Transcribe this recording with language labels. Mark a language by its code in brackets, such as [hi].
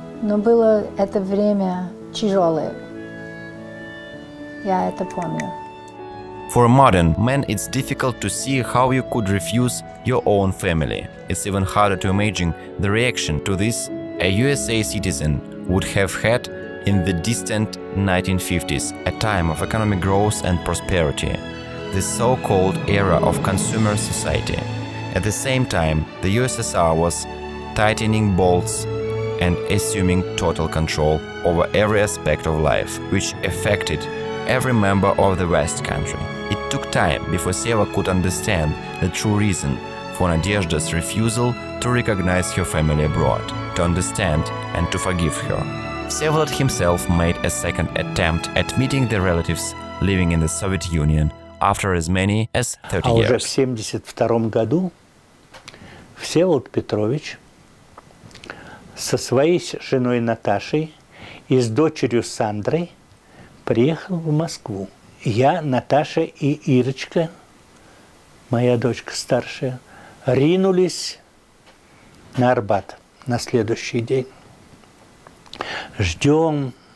[ru] Но было это время тяжёлое. Я это помню. [en] For a modern man, it's difficult to see how you could refuse your own family. It's even harder to imagine the reaction to this a USA citizen would have had in the distant 1950s, a time of economic growth and prosperity, the so-called era of consumer society. At the same time, the USSR was tightening bolts and assuming total control over every aspect of life, which affected every member of the West country. It took time before Seva could understand the true reason for Nadezhda's refusal to recognize her family abroad, to understand and to forgive her. Всеволод himself made a second attempt at meeting the relatives living in the Soviet Union after as many as 30 years. [ru] А уже в 72-м году Всеволод Петрович со своей женой Наташей и с дочерью Сандрой приехал в Москву. Я, Наташа и Ирочка, моя дочка старшая, ринулись на Арбат на следующий день. Ждем.